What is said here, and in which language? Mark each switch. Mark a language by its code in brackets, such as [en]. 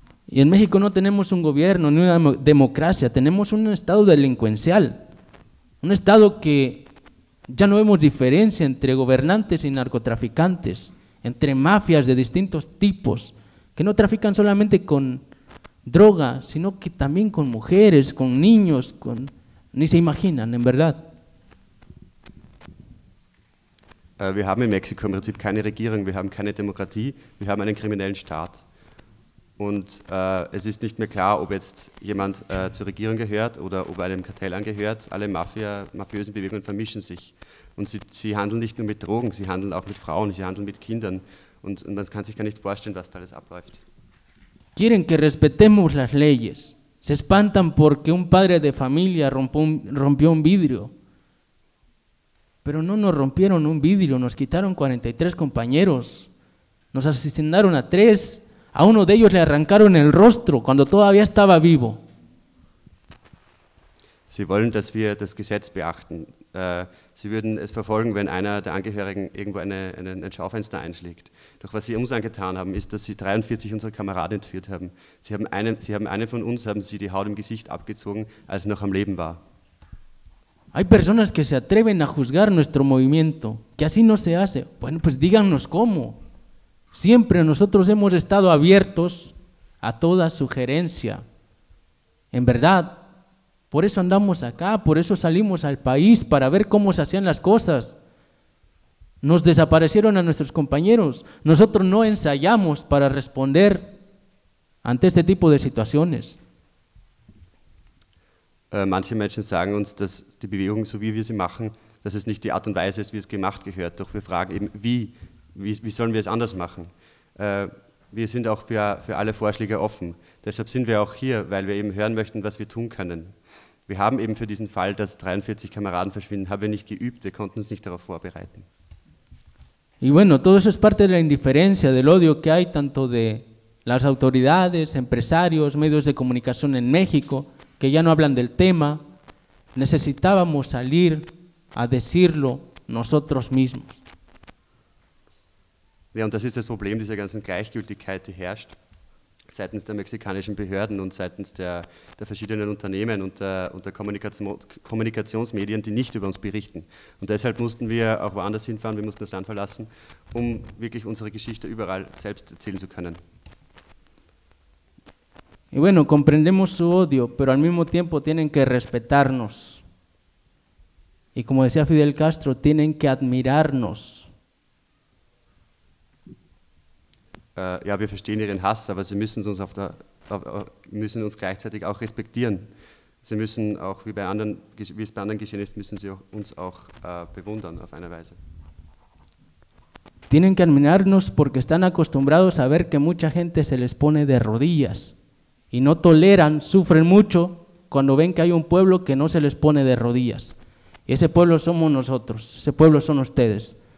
[es] Y en México no tenemos un gobierno ni una democracia, tenemos un estado delincuencial, un estado que ya no vemos diferencia entre gobernantes y narcotraficantes, entre mafias de distintos tipos, que no trafican solamente con droga, sino que también con mujeres, con niños, con ni se imaginan, en verdad. [de] Wir haben in Mexiko im Prinzip keine Regierung, wir haben keine Demokratie, wir haben einen kriminellen Staat. Und es ist nicht mehr klar, ob jetzt jemand zur Regierung gehört oder ob er einem Kartell angehört. Alle mafiösen Bewegungen vermischen sich. Und sie handeln nicht nur mit Drogen, sie handeln auch mit Frauen, sie handeln mit Kindern. Und man kann sich gar nicht vorstellen, was da alles abläuft. [es] Quieren que respetemos las leyes. Se espantan porque un padre de familia rompió un vidrio. Pero no nos rompieron un vidrio, nos quitaron 43 compañeros. Nos asesinaron a tres. A uno de ellos le arrancaron el rostro cuando todavía estaba vivo. [de] Sie wollen, dass wir das Gesetz beachten. Sie würden es verfolgen, wenn einer der Angehörigen irgendwo ein Schaufenster einschlägt. Doch was sie uns angetan haben, ist, dass sie 43 unserer Kameraden entführt haben. Sie haben einen von uns die Haut im Gesicht abgezogen, als er noch am Leben war. [es] Hay personas que se atreven a juzgar nuestro movimiento, que así no se hace. Bueno, pues díganos cómo. Siempre nosotros hemos estado abiertos a toda sugerencia. En verdad, por eso andamos acá, por eso salimos al país, para ver cómo se hacían las cosas. Nos desaparecieron a nuestros compañeros. Nosotros no ensayamos para responder ante este tipo de situaciones. [de] Manche Menschen sagen uns, dass die Bewegung, so wie wir sie machen, dass es nicht die Art und Weise ist, wie es gemacht gehört. Doch wir fragen eben, wie sollen wir es anders machen? Wir sind auch für alle Vorschläge offen. Deshalb sind wir auch hier, weil wir eben hören möchten, was wir tun können. Wir haben eben für diesen Fall, dass 43 Kameraden verschwinden, haben wir nicht geübt. Wir konnten uns nicht darauf vorbereiten. [es] Y bueno, todo eso es parte de la indiferencia, del odio que hay tanto de las autoridades, empresarios, medios de comunicación en México, que ya no hablan del tema, necesitábamos salir a decirlo nosotros mismos. [de] Ja, und das ist das Problem dieser ganzen Gleichgültigkeit, die herrscht seitens der mexikanischen Behörden und seitens der verschiedenen Unternehmen und der Kommunikationsmedien, die nicht über uns berichten. Und deshalb mussten wir auch woanders hinfahren, wir mussten das Land verlassen, um wirklich unsere Geschichte überall selbst erzählen zu können. [es] Y bueno, comprendemos su odio, pero al mismo tiempo tienen que respetarnos. Y como decía Fidel Castro, tienen que admirarnos. [de] Ja, wir verstehen ihren Hass, aber sie müssen uns müssen uns gleichzeitig auch respektieren. Sie müssen auch, wie es bei anderen geschehen ist, müssen sie auch, uns auch bewundern auf eine Weise. [es] Tienen que admirarnos porque están acostumbrados a ver que mucha gente se les pone de rodillas. Y no toleran, sufren mucho cuando ven que hay un pueblo que no se les pone de rodillas. Y ese pueblo somos nosotros, ese pueblo son ustedes.